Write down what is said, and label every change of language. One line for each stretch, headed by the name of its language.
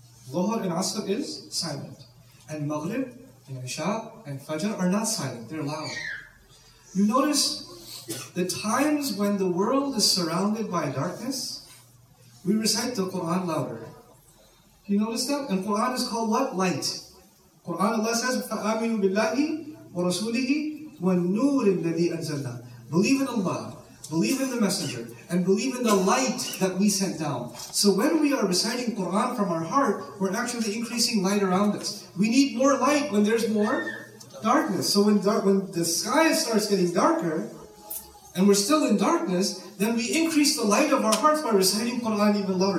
English: Dhuhr and Asr is silent. And Maghrib and Isha and Fajr are not silent, they're loud. You notice the times when the world is surrounded by darkness, we recite the Quran louder. You notice that? And Quran is called what? Light. Quran Allah says,
Arabic: فَآمِنُوا بِاللَّهِ وَرَسُولِهِ وَالنُّورِ الَّذِي أَنزَلْنَا.
English: Believe in Allah, believe in the Messenger, and believe in the light that we sent down. So when we are reciting Quran from our heart, we're actually increasing light around us. We need more light when there's more darkness. So when the sky starts getting darker, and we're still in darkness, then we increase the light of our hearts by reciting Quran even louder.